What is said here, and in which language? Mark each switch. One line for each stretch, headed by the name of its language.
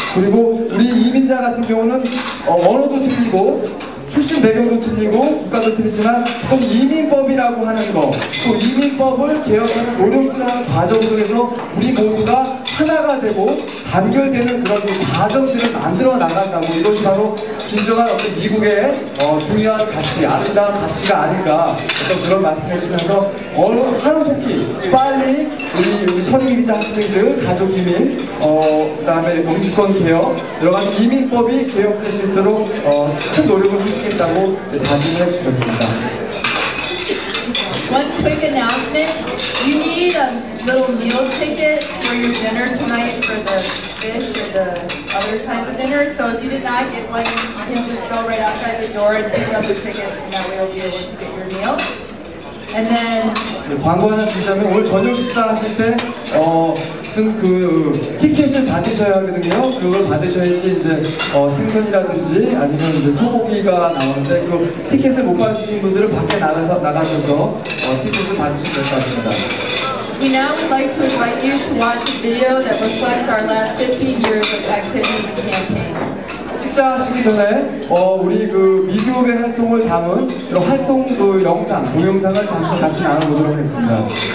Korean: 그리고 우리 이민자 같은 경우는 언어도 틀리고 출신 배경도 틀리고 국가도 틀리지만 또 이민법이라고 하는 거, 또 이민법을 개혁하는 노력을 하는 과정 속에서 우리 모두가 하나가 되고 단결되는 그런 과정들을 만들어 나간다고 이것이 바로 진정한 어떤 미국의 중요한 가치, 아름다운 가치가 아닐까 어떤 그런 말씀해 주면서 하루속히 빨리 우리 서류이민자 학생들, 가족 이민, 그 다음에 영주권 개혁, 여러 가지 이민법이 개혁될 수 있도록 큰 노력을 하시겠다고 다짐해 주셨습니다.
English: One quick announcement. You need a little meal ticket for your dinner tonight for the fish or the other kinds of dinner. So if you did not get one, you can just go right outside the door and pick up the ticket and that way you'll be able to get your meal. And then
Korean: 광고 하나 드리자면 오늘 저녁 식사 하실 때 무슨 그 티켓을 받으셔야 하거든요. 그걸 받으셔야지 이제 생선이라든지 아니면 이제 소고기가 나오는데 그 티켓을 못 받으신 분들은 밖에 나가셔서 티켓을 받으실 것 같습니다.
English: We now would like to invite you to watch a video that reflects our last 15 years of activities and campaigns.
Korean: 식사하시기 전에 우리 그 미디어의 활동을 담은 그런 활동 그 영상, 동영상을 잠시 같이 나눠보도록 하겠습니다.